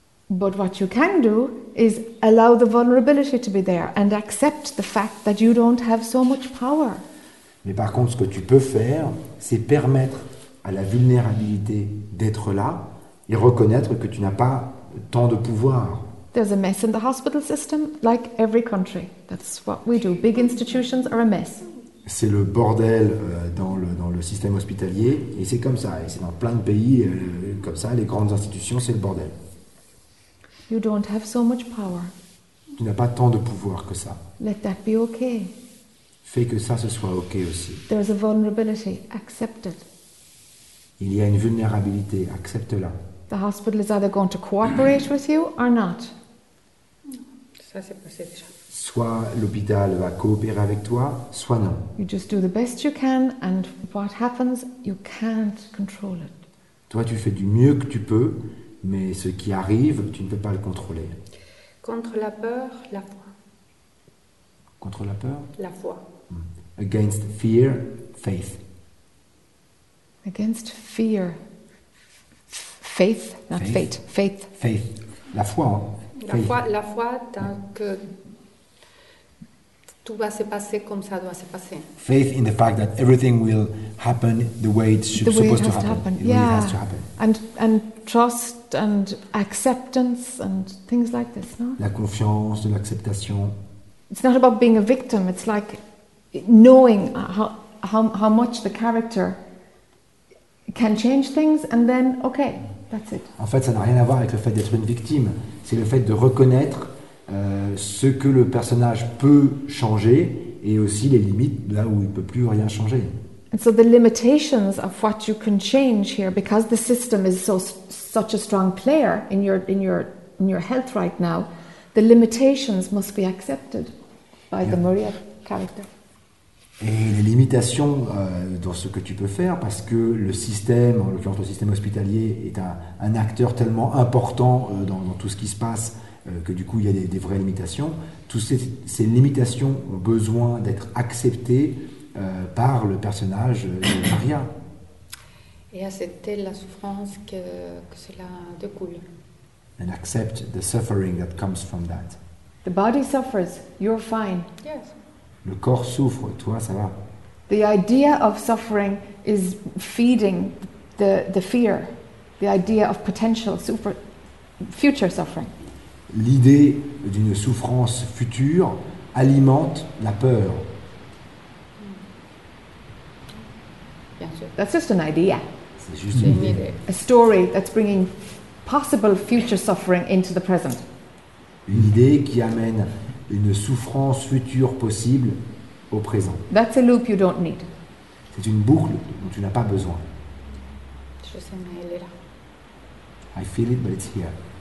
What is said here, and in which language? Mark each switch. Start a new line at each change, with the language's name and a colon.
English: But what you can do is allow the vulnerability to be there and accept the fact that you don't have so much power.
French: Mais par contre, ce que tu peux faire, c'est permettre à la vulnérabilité d'être là et reconnaître que tu n'as pas tant de pouvoir.
English: There's a mess in the hospital system, like every country. That's what we do. Big institutions are a mess.
French: C'est le bordel dans le système hospitalier, et c'est comme ça, et c'est dans plein de pays comme ça, les grandes institutions, c'est le bordel.
English: You don't have so much power.
French: Tu n'as pas tant de pouvoir que ça.
English: Let that be okay.
French: fait que ça ce soit ok aussi.
English: There's a vulnerability, accept it.
French: Il y a une vulnérabilité, accepte-la.
English: The hospital is either going to cooperate with you or not.
French: Ça c'est passé déjà. Soit l'hôpital va coopérer avec toi, soit non.
English: You just do the best you can, and what happens, you can't control it.
French: Toi, tu fais du mieux que tu peux, mais ce qui arrive, tu ne peux pas le contrôler. Contre la peur, la foi. Contre la peur? La foi.
English: Against fear, faith. Against fear, faith, not fate. Faith.
French: Faith. La foi. Hein? La foi, tant que tout va se passer comme ça doit se passer.
English: Faith in the fact that everything will happen the way it should supposed to happen. Yeah. Really has to happen. And trust and acceptance and things like this, no?
French: La confiance, de l'acceptation.
English: It's not about being a victim. It's like knowing how much the character can change things, and then okay, that's it.
French: En fait, ça n'a rien à voir avec le fait d'être une victime. C'est le fait de reconnaître ce que le personnage peut changer et aussi les limites là où il ne peut plus rien changer.
English: And so the limitations of what you can change here, because the system is such a strong player in your health right now, the limitations must be accepted by the Maria character.
French: Et les limitations dans ce que tu peux faire, parce que le système, en l'occurrence le système hospitalier, est un acteur tellement important dans tout ce qui se passe, que du coup il y a des vraies limitations. Toutes ces limitations ont besoin d'être acceptées par le personnage de Maria. Et accepter la souffrance que cela découle.
English: And accept the suffering that comes from that. The body suffers, you're fine. Yes.
French: Le corps souffre, toi ça va.
English: The idea of suffering is feeding the fear, the idea of potential future suffering.
French: L'idée d'une souffrance future alimente la peur.
English: That's just an idea.
French: C'est juste une idée.
English: A story that's bringing possible future suffering into the present.
French: Une idée qui amène une souffrance future possible au présent.
English: That's a loop you don't need.
French: C'est une boucle dont tu n'as pas besoin. Je sais, mais elle est là.
English: I feel it, but it's here.